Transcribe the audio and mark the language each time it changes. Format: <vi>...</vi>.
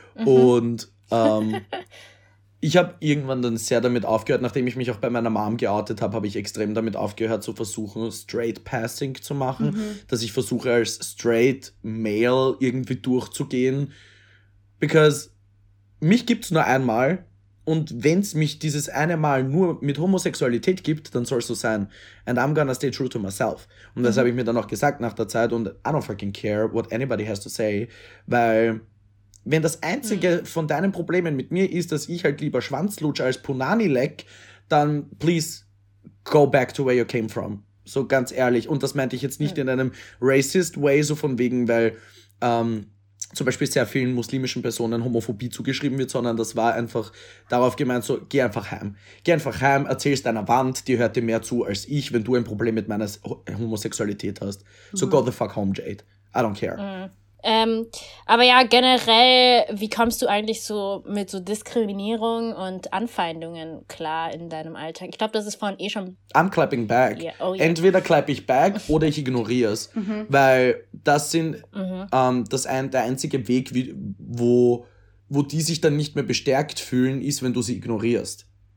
<de>Und ich habe irgendwann dann sehr damit aufgehört, nachdem ich mich auch bei meiner Mom geoutet habe, habe ich extrem damit aufgehört zu versuchen, straight passing zu machen, dass ich versuche, als straight male irgendwie durchzugehen, because mich gibt's nur einmal Und wenn es mich dieses eine Mal nur mit Homosexualität gibt, dann soll es so sein.</de> <en>And I'm gonna stay true to myself.</en> <de>Und das habe ich mir dann auch gesagt nach der Zeit. Und</de> <en>I don't fucking care what anybody has to say.</en> <de>Weil wenn das einzige von deinen Problemen mit mir ist, dass ich halt lieber Schwanz lutsche als Punani leck, dann</de> <en>please go back to where you came from.</en> <de>So ganz ehrlich. Und das meinte ich jetzt nicht in einem racist way, so von wegen, weil zum Beispiel sehr vielen muslimischen Personen Homophobie zugeschrieben wird, sondern das war einfach darauf gemeint, so, geh einfach heim. Geh einfach heim, erzähl's deiner Wand, die hört dir mehr zu als ich, wenn du ein Problem mit meiner Homosexualität hast.</de> <en>So go the fuck home, Jade. I don't care.</en> <de>Aber ja, generell, wie kommst du eigentlich so mit so Diskriminierung und Anfeindungen klar in deinem Alltag? Ich glaube, das ist vorhin eh schon...</de> <en>I'm clapping back. Yeah. Oh, yeah.</en> <de>Entweder clap ich back oder ich ignoriere es. Weil das sind der einzige Weg, wo die sich dann nicht mehr bestärkt fühlen, ist, wenn du sie ignorierst.</de>